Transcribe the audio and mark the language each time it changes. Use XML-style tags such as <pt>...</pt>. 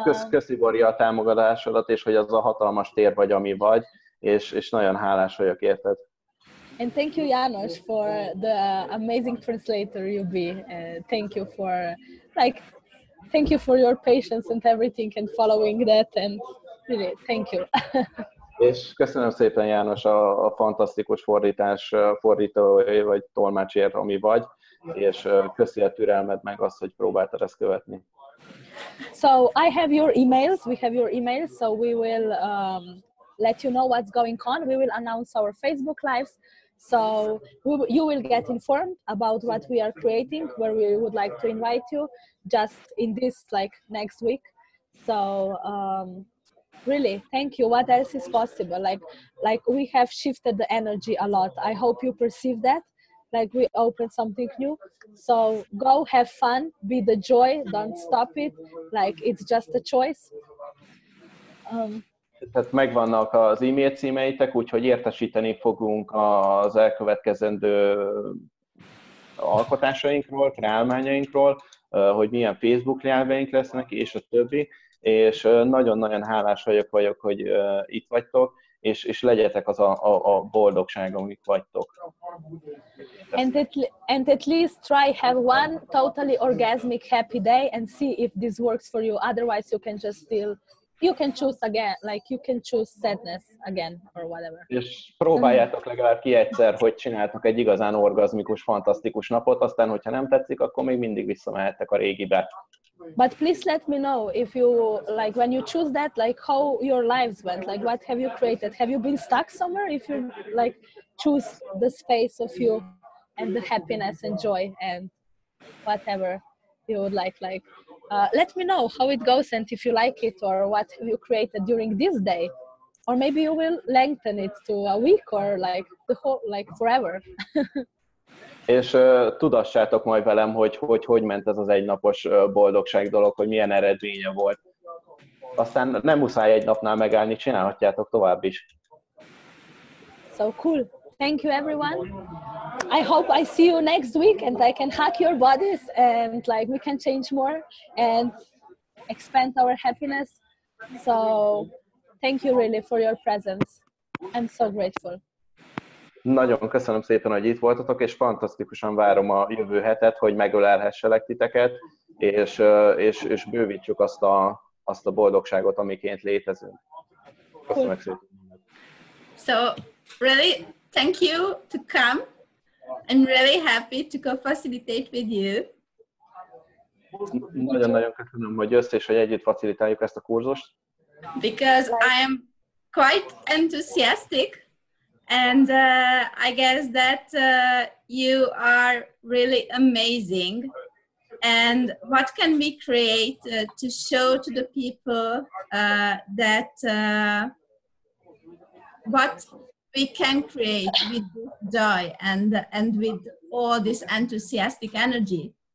<hu>Köszi, Bori, a támogatásodat, és hogy az a hatalmas tér vagy, ami vagy, és nagyon hálás vagyok érted.</hu> <en>And thank you, Janos, for the amazing translator you be. Thank you for, like, thank you for your patience and everything and following that. And really, thank you.</en> <hu>És köszönöm szépen, János, a fantasztikus fordítás, fordítói vagy tolmácsért, ami vagy. És köszi a türelmed meg azt, hogy próbáltad ezt követni.</hu> <en>So I have your emails. We have your emails, so we will let you know what's going on. We will announce our Facebook Lives. So you will get informed about what we are creating, where we would like to invite you just in this, like, next week. So really, thank you. What else is possible? Like we have shifted the energy a lot. I hope you perceive that, like we opened something new. So go have fun, be the joy, don't stop it. Like, it's just a choice.</en> <hu>Tehát megvannak az e-mail címeitek, úgyhogy értesíteni fogunk az elkövetkezendő alkotásainkról, kreálmányainkról, hogy milyen Facebook lájveink lesznek, és a többi. És nagyon-nagyon hálás vagyok, hogy itt vagytok, és legyetek az a boldogság, amik vagytok.</hu> <en>And at least try have one totally orgasmic happy day and see if this works for you. Otherwise, you can just still, you can choose again, like you can choose sadness again or whatever.</en> <hu>És próbáljátok legalább ki egyszer, hogy csináltok egy igazán orgazmikus, fantasztikus napot, aztán, hogyha nem tetszik, akkor még mindig visszamehettek a régibe.</hu> <en>But please let me know if you, like, when you choose that, like, how your lives went, like, what have you created? Have you been stuck somewhere? If you, like, choose the space of you and the happiness and joy and whatever you would like, let me know how it goes and if you like it or what have you created during this day. Or maybe you will lengthen it to a week or, like, the whole, like, forever.</en> <hu>És tudassátok majd velem, hogy ment ez az egynapos boldogság dolog, hogy milyen eredménye volt. Aztán nem muszáj egy napnál megállni, csinálhatjátok tovább is.</hu> <en>So cool. Thank you everyone. I hope I see you next week and I can hug your bodies and like we can change more and expand our happiness. So thank you really for your presence. I'm so grateful.</en> <hu>Nagyon köszönöm szépen, hogy itt voltatok, és fantasztikusan várom a jövő hetet, hogy megölelhesselek titeket, és bővítsük azt a boldogságot, amiként létezünk. Köszönöm szépen.</hu> <en>So, really, thank you to come. I'm really happy to co-facilitate with you.</en> <hu>Nagyon-nagyon köszönöm, hogy jössz, és hogy együtt facilitáljuk ezt a kurzust.</hu> <en>Because I am quite enthusiastic. And I guess that you are really amazing. And what can we create to show to the people that what we can create with joy and with all this enthusiastic energy?</en>